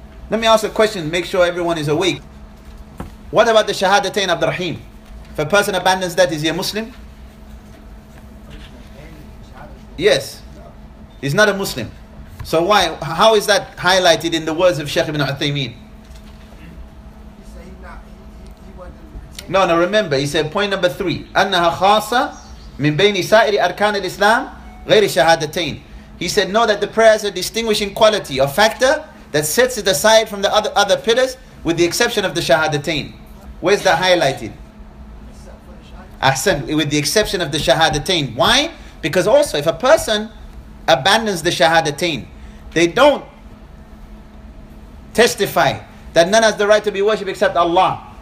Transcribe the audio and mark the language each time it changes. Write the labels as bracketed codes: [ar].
[en] Let me ask a question, make sure everyone is awake. What about the Shahadatain Abdul Rahim? If a person abandons that, is he a Muslim? Yes. He's not a Muslim. So why? How is that highlighted in the words of Shaykh Ibn Uthaymeen? No, no, remember, he said point number three, [ar] أَنَّهَا خَاصَ مِنْ بَيْنِ سَائِرِ أَرْكَانِ الْإِسْلَامِ غَيْرِ شَهَادَتَيْنِ. [en] He said, no, that the prayer has a distinguishing quality, a factor that sets it aside from the other pillars, with the exception of the shahadatain. Where's that highlighted? Ahsan, with the exception of the shahadatain. Why? Because also, if a person abandons the shahadatain, they don't testify that none has the right to be worshipped except Allah.